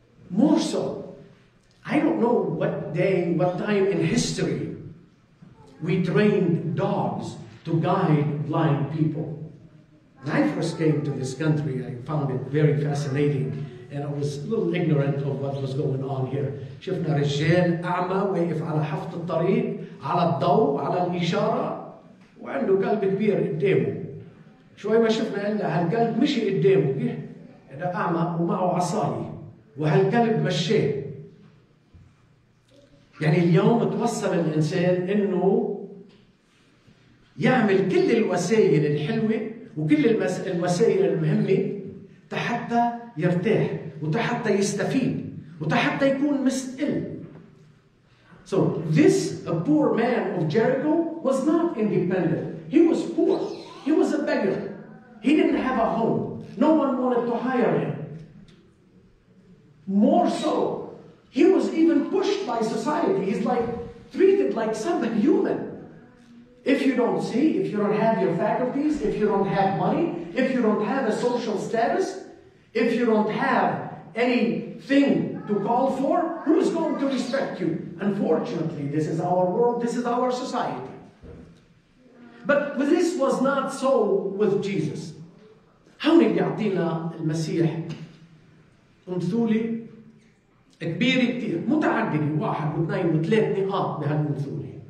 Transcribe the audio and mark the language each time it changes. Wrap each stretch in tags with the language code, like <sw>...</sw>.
<en>More so, I don't know what day, what time in history we trained dogs to guide blind people. When I first came to this country, I found it very fascinating, and I was a little ignorant of what was going on here.</en> <ar>شفنا رجال أعمى واقف على حافة الطريق على الضوء على الإشارة وعنده قلب كبير قدامه. شوي ما شفنا إلا هالقلب مشي قدامه هذا أعمى ومعه عصاية وهالقلب مشي. يعني اليوم توصل الإنسان إنه يعمل كل الوسائل الحلوة وكل الوسائل المهمة حتى يرتاح وحتى يستفيد وحتى يكون مستقل.</ar> <en>So this a poor man of Jericho was not independent. He was poor. He was a beggar. He didn't have a home. No one wanted to hire him. More so, he was even pushed by society. He's like treated like subhuman. If you don't see, if you don't have your faculties, if you don't have money, if you don't have a social status, if you don't have anything to call for, who's going to respect you? Unfortunately, this is our world, this is our society. But this was not so with Jesus.</en> <ar>هون بيعطينا المسيح أمثلة كبيرة كتير متعددة واحد واثنين وثلاث نقاط بهالمثلة.</ar>